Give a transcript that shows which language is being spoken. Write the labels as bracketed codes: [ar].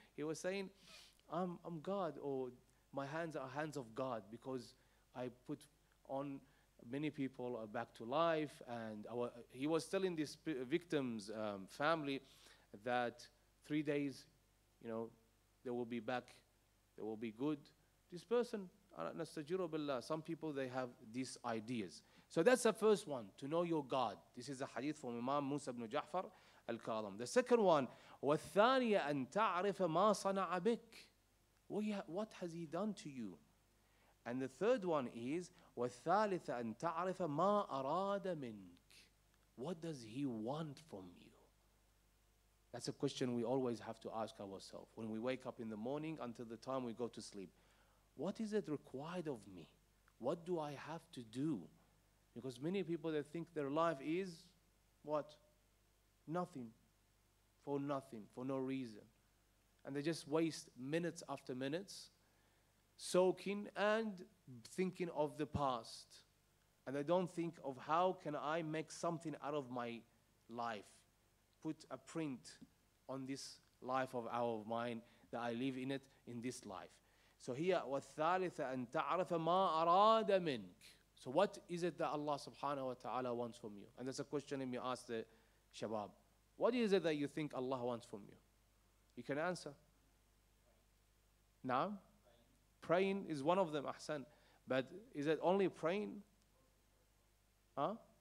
[en] He was saying, I'm God, or my hands are hands of God because I put on many people are back to life, and he was telling this victim's family that 3 days, you know, they will be back, they will be good. This person, nastajiru billah, some people, they have these ideas. So that's the first one, to know your God. This is a hadith from Imam Musa ibn Ja'far al-Kalam. The second one, [ar] وَالثَّانِيَ أَن تَعْرِفَ مَا صَنَعَ بِكَ. [en] What has he done to you? And the third one is, [ar] وَالثَّالِثَ أَن تَعْرِفَ مَا أَرَادَ مِنْكَ. [en] What does he want from you? That's a question we always have to ask ourselves. When we wake up in the morning until the time we go to sleep, what is it required of me? What do I have to do? Because many people, they think their life is What? Nothing. For nothing, for no reason. And they just waste minutes after minutes soaking and thinking of the past. And they don't think of how can I make something out of my life. Put a print on this life of our of mine that I live in it in this life. So here, [ar] وَالثَّالِثَ أَن تَعْرَفَ مَا أَرَادَ مِنْكَ. [en] So what is it that Allah subhanahu wa ta'ala wants from you? And that's a question you ask the shabab. What is it that you think Allah wants from you? You can answer. Now, praying is one of them, ahsan. But is it only praying? Huh?